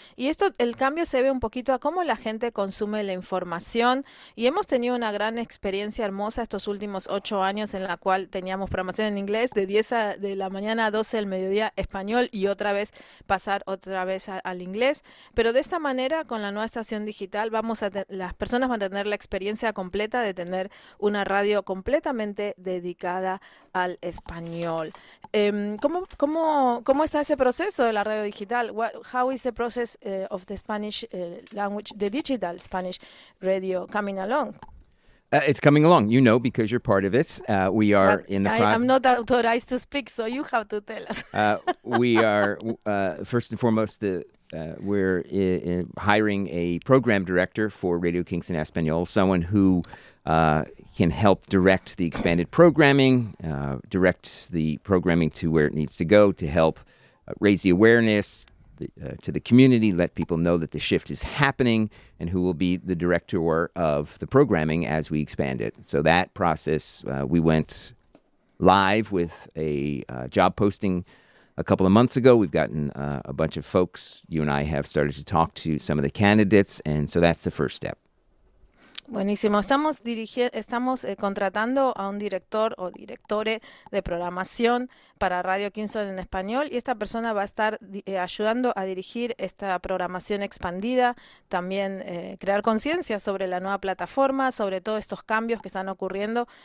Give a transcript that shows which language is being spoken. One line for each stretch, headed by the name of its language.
Spanish: Y esto, el cambio se ve un poquito a cómo la gente consume la información y hemos tenido una gran experiencia hermosa estos últimos 8 años en la cual teníamos programación en inglés de 10 de la mañana a 12 del mediodía español y otra vez pasar otra vez al inglés. Pero de esta manera, con la nueva estación digital, las personas van a tener la experiencia completa de tener una radio completamente dedicada al español. ¿Cómo está ese proceso de la radio digital?
English: How is the process of the Spanish language, the digital Spanish radio coming along? It's coming along, you know, because you're part of it. We are but in the process. I'm not authorized to speak, so you have to tell us. We are, first and foremost, we're hiring a program director for Radio Kingston Español, someone who can help direct the expanded programming, direct the programming to where it needs to go, to help raise the awareness to the community, let people know that the shift is happening, and who will be the director of the programming as we expand it. So that process, we went live with a job posting a couple of months ago. We've gotten a bunch of folks, you and I have started to talk to some of the candidates, and so that's the first step.
Spanish: Buenísimo. Estamos contratando a un director o directores de programación para Radio Kingston en español y esta persona va a estar ayudando a dirigir esta programación expandida, también crear conciencia sobre la nueva plataforma, sobre todos estos cambios que están ocurriendo.